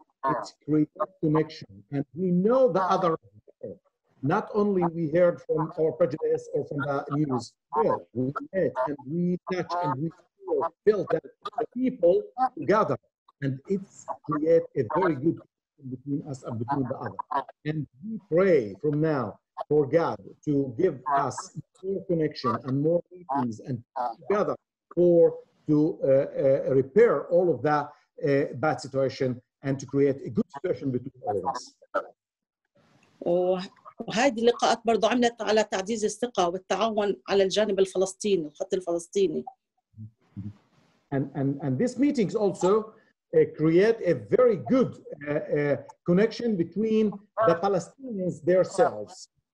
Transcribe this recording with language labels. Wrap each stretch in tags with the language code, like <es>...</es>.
<en>It creates connection, and we know the other. Not only we heard from our prejudice or from the news, but we met and we touch and we feel that the people gather, and it creates a very good connection between us and between the other. And we pray from now for God to give us more connection and more meetings and together for to repair all of that bad situation and to create a good situation between all of us.</en> <ar>وهذه اللقاءات برضو عملت على تعزيز الثقة والتعاون على الجانب الفلسطيني الخط الفلسطيني.</ar> <en>And these meetings also create a very good connection between the Palestinians themselves.</en>